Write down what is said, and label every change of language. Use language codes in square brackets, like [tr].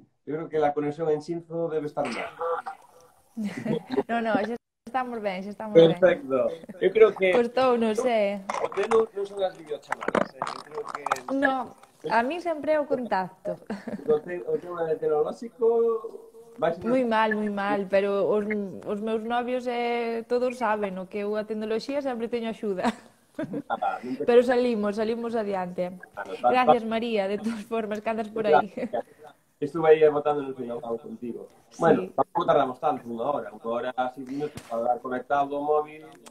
[es] Yo creo que la conexión en Sinzo debe estar mal. No, no, ya estamos bien, ya estamos bien. Perfecto. Yo creo que... Pues todo, no sé. Ustedes no, no son las videochamadas, ¿eh? Yo creo que... No, a mí siempre hay contacto. O tema de tecnológico... Muy mal, muy mal, pero [gl] os meus novios todos saben o que a tecnoloxía sempre teño axuda. Pero salimos adiante. [es] Gracias, María, de todas formas, que andas por aí. [gl] Estuve aí votando no final contigo. Bueno, tampouco tardamos tanto, unha hora, 5 minutos, para dar conectado o móvil.